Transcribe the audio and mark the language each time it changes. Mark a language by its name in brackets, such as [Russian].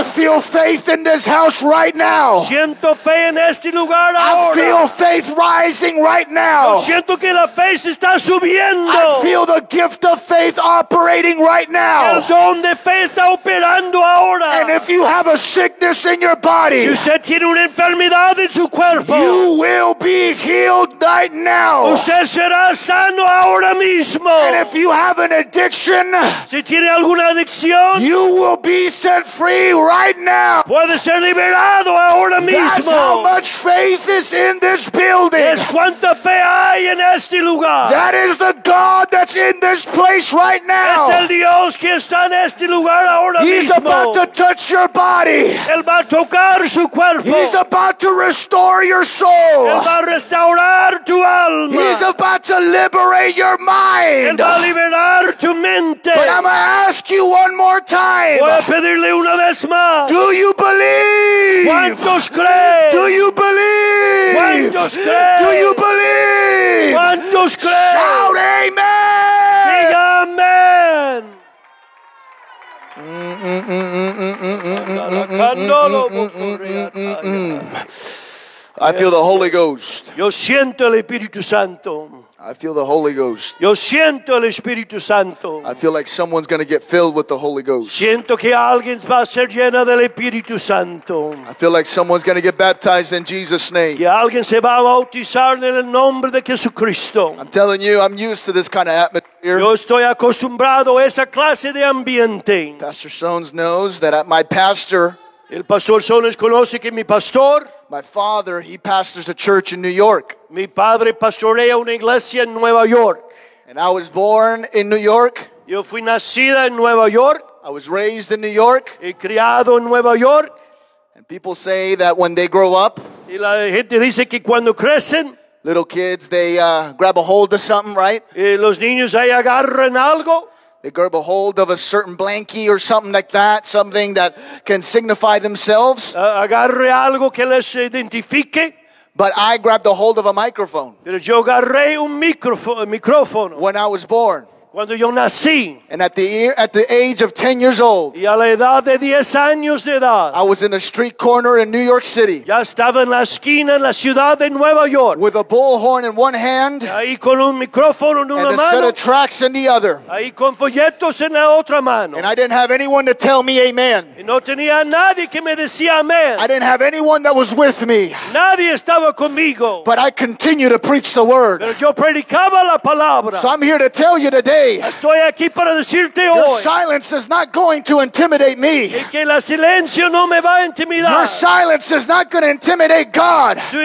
[English] I feel faith in this house right now. [Spanish] Siento fe en este lugar ahora. [English] I feel faith rising right now. [Spanish] Yo siento que la fe está subiendo. [English] I feel the gift of faith operating right now. [Spanish] El don de fe está operando ahora. [English] And if you have a sickness in your body, [Spanish] si usted tiene una enfermedad en su cuerpo, [English] you will be healed right now. [Spanish] Usted será sano ahora mismo. [English] And if you have an addiction, [Spanish] si tiene alguna adicción, [English] you will be set free right now. [Spanish] Puede ser liberado ahora mismo. [English] That's how much faith is in this building. [Spanish] Es cuánta fe hay en este lugar. [English] That is the God that's in this place right now. [Spanish] Es el Dios que está en este lugar ahora [English] He's [Spanish] mismo. [English] About to touch your body. [Spanish] Él va a tocar su cuerpo. [English] He's about to restore your soul. [Spanish] Él va a restaurar tu alma. [English] He's about to liberate your mind. [Spanish] Él va a liberar. [English] But I'm gonna ask you one more time. [Spanish] Voy a pedirle una vez más. [English] Do you believe? [Spanish] ¿Cuántos creen? [English] Do you believe? [Spanish] ¿Cuántos creen? [English] Do you believe? [Spanish] ¿Cuántos creen? [English] Shout amen! [Spanish] Diga amen! Mm-hmm. [English] I feel the Holy Ghost. [Spanish] Yo siento el Espíritu Santo. [English] I feel the Holy Ghost. [Spanish] Yo siento el Espíritu Santo. [English] I feel like someone's going to get filled with the Holy Ghost. [Spanish] Siento que alguien va a ser lleno del Espíritu Santo. [English] I feel like someone's going to get baptized in Jesus' name. [Spanish] Que alguien se va a bautizar en el nombre de Jesucristo. [English] I'm telling you, I'm used to this kind of atmosphere. [Spanish] Yo estoy acostumbrado a esa clase de ambiente. [English] Pastor Sones knows that at my pastor... [Spanish] El pastor Sones conoce que mi pastor... [English] My father, he pastors a church in New York. [Spanish] Mi padre pastorea una iglesia en Nueva York. [English] And I was born in New York. [Spanish] Yo fui nacida en Nueva York. [English] I was raised in New York. [Spanish] Y criado en Nueva York. [English] And people say that when they grow up, [Spanish] y la gente dice que cuando crecen, [English] little kids, they grab a hold of something, right? [Spanish] Y los niños ahí agarran algo. [English] They grab a hold of a certain blankie or something like that, something that can signify themselves. [Spanish] Agarre algo que les identifique. [English] But I grabbed a hold of a microphone. [Spanish] Pero yo agarré un micrófono. [English] When I was born. [Spanish] Cuando yo nací. [English] And at the age of 10 years old. [Spanish] Y a la edad de 10 años de edad. [English] I was in a street corner in New York City. [Spanish] Ya estaba en la esquina en la ciudad de Nueva York. [English] With a bullhorn in one hand. [Spanish] Ahí con un micrófono en una mano. [English] And a set of tracks in the other. [Spanish] Ahí con folletos en la otra mano. [English] And I didn't have anyone to tell me amen. [Spanish] Y no tenía nadie que me decía amén. [English] I didn't have anyone that was with me. [Spanish] Nadie estaba conmigo. [English] But I continue to preach the word. [Spanish] Pero yo predicaba la palabra. [English] So I'm here to tell you today. [Spanish] Estoy aquí para decirte hoy. [English] Your silence is not going to intimidate me. [Spanish] Que la silencio no me va a intimidar. [English] Your silence is not going to intimidate God.